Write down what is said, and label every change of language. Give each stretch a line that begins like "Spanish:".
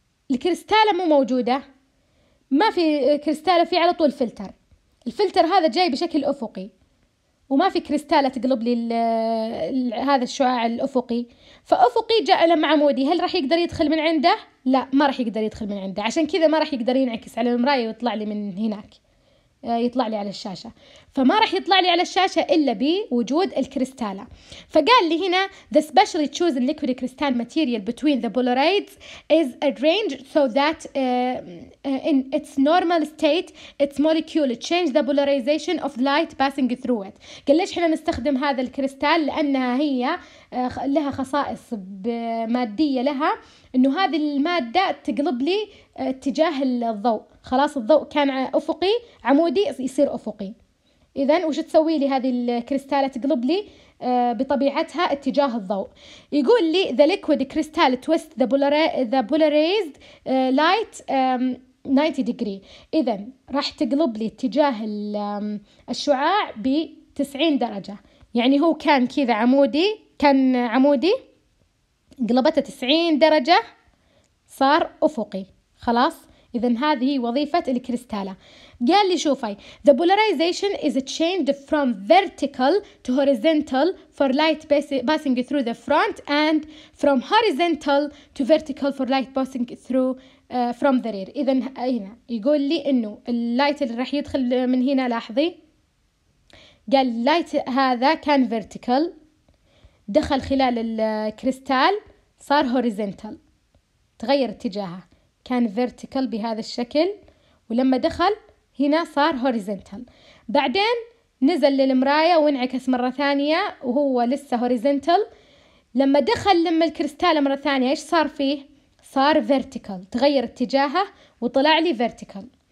Arabic: الكريستالة مو موجودة، ما في كريستالة، في على طول الفلتر هذا جاي بشكل أفقي وما في كريستالة تقلب لي هذا الشعاع الأفقي، فأفقي جاء لما عمودي، هل راح يقدر يدخل من عنده؟ لا ما راح يقدر يدخل من عنده، عشان كذا ما راح يقدر ينعكس على المراية ويطلع لي من هناك، يطلع لي على الشاشة، فما رح يطلع لي على الشاشة إلا بوجود الكريستالة. فقال لي هنا
English: the specially chosen liquid crystal material between the polaroids is arranged so that in its normal state its molecule change the polarization of light passing through it.
Arabic: قال ليش حنا نستخدم هذا الكريستال؟ لأنها هي لها خصائص مادية، لها إنه هذه المادة تقلب لي اتجاه الضوء، خلاص الضوء كان أفقي عمودي يصير أفقي. إذن وش تسوي لي هذه الكريستالة؟ تقلب لي بطبيعتها اتجاه الضوء. يقول لي
English: the liquid crystal twist the polarized light 90 degree.
Arabic: إذن راح تقلب لي اتجاه الشعاع ب 90 درجة. يعني هو كان كذا عمودي، كان عمودي قلبته 90 درجة صار أفقي، خلاص. إذن هذه وظيفة الكريستالة. قال لي شوفي
English: the polarization is changed from vertical to horizontal for light passing through the front and from horizontal to vertical for light passing through from the rear.
Arabic: إذن هنا يقول لي إنه اللايت اللي راح يدخل من هنا، لاحظي قال اللايت هذا كان vertical دخل خلال الكريستال صار horizontal، تغير اتجاهه، كان vertical بهذا الشكل ولما دخل هنا صار horizontal، بعدين نزل للمراية وانعكس مرة ثانية وهو لسه horizontal، لما دخل لما الكريستال مرة ثانية ايش صار فيه؟ صار vertical، تغير اتجاهه وطلع لي vertical.